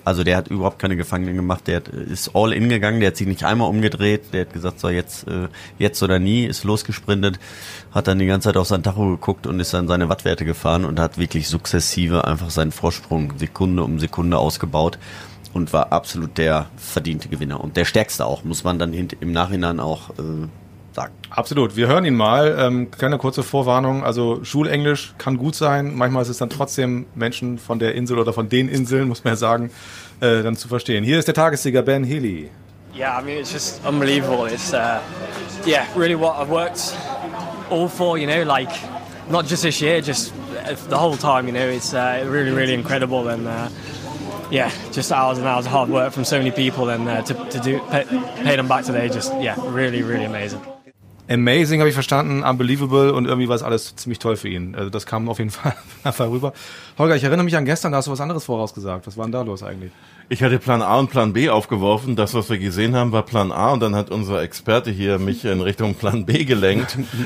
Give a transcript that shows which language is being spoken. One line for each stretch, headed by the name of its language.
German: Also der hat überhaupt keine Gefangenen gemacht, der ist all in gegangen, der hat sich nicht einmal umgedreht, der hat gesagt, so jetzt oder nie, ist losgesprintet, hat dann die ganze Zeit auf sein Tacho geguckt und ist dann seine Wattwerte gefahren und hat wirklich sukzessive einfach seinen Vorsprung Sekunde um Sekunde ausgebaut und war absolut der verdiente Gewinner und der stärkste auch, muss man dann im Nachhinein auch absolut. Wir hören ihn mal. Kleine kurze Vorwarnung. Also Schulenglisch kann gut sein. Manchmal ist es dann trotzdem Menschen von der Insel oder von den Inseln, muss man ja sagen, dann zu verstehen. Hier ist der Tagessieger Ben Healy.
English: Yeah, I mean, it's just unbelievable. It's really what I've worked all for, you know, like not just this year, just the whole time, you know. It's really, really incredible and just hours and hours of hard work from so many people and to pay them back today, just really, really amazing.
German: Amazing, habe ich verstanden, unbelievable und irgendwie war es alles ziemlich toll für ihn. Also das kam auf jeden Fall einfach rüber. Holger, ich erinnere mich an gestern, da hast du was anderes vorausgesagt. Was war denn da los eigentlich? Ich hatte Plan A und Plan B aufgeworfen. Das, was wir gesehen haben, war Plan A und dann hat unser Experte hier mich in Richtung Plan B gelenkt.